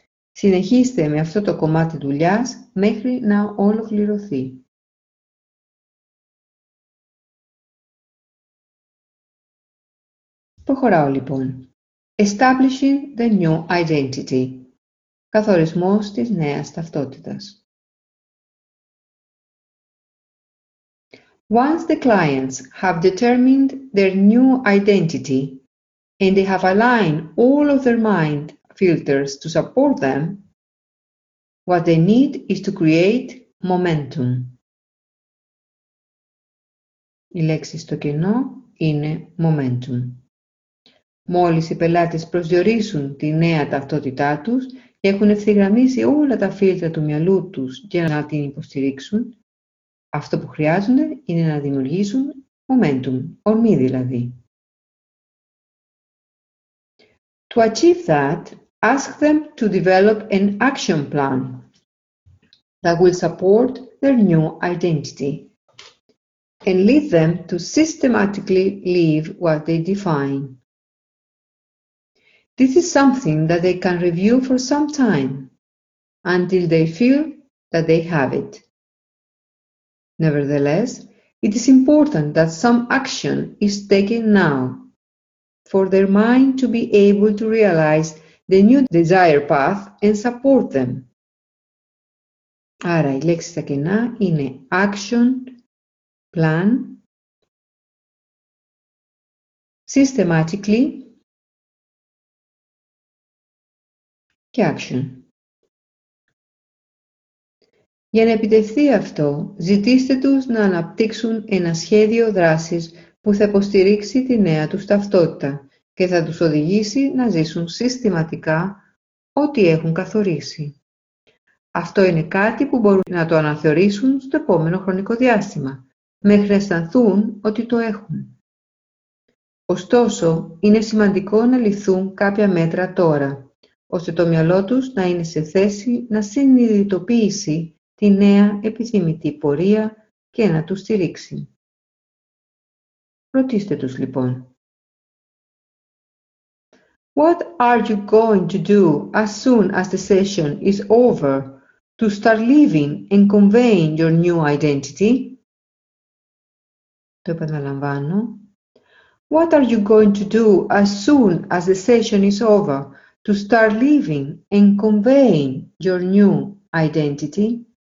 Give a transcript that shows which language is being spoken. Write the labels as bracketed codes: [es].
[el] Συνεχίστε με αυτό το κομμάτι δουλειάς μέχρι να ολοκληρωθεί. Προχωράω λοιπόν. [en] Establishing the new identity. [el] Καθορισμός της νέας ταυτότητας. [en] Once the clients have determined their new identity and they have aligned all of their mind filters to support them, what they need is to create momentum. [el] Οι λέξεις στο κενό είναι momentum. Μόλις οι πελάτες προσδιορίσουν τη νέα ταυτότητά τους και έχουν ευθυγραμμίσει όλα τα φίλτρα του μυαλού τους για να την υποστηρίξουν, αυτό που χρειάζονται είναι να δημιουργήσουν momentum, ορμή δηλαδή. [en] To achieve that, ask them to develop an action plan that will support their new identity and lead them to systematically live what they define. This is something that they can review for some time until they feel that they have it. Nevertheless, it is important that some action is taken now for their mind to be able to realize the new desire path and support them. [el] Άρα, η λέξη στα κενά είναι action, plan, systematically, και action. Για να επιτευχθεί αυτό, ζητήστε τους να αναπτύξουν ένα σχέδιο δράσης που θα υποστηρίξει τη νέα τους ταυτότητα και θα τους οδηγήσει να ζήσουν συστηματικά ό,τι έχουν καθορίσει. Αυτό είναι κάτι που μπορούν να το αναθεωρήσουν στο επόμενο χρονικό διάστημα, μέχρι να αισθανθούν ότι το έχουν. Ωστόσο, είναι σημαντικό να ληφθούν κάποια μέτρα τώρα, ώστε το μυαλό τους να είναι σε θέση να συνειδητοποιήσει τη νέα επιθυμητή πορεία και να τους στηρίξει. Ρωτήστε τους λοιπόν. [en] What are you going to do as soon as the session is over to start living and conveying your new identity? [el] Το επαναλαμβάνω. [en] What are you going to do as soon as the session is over to start living and conveying your new identity?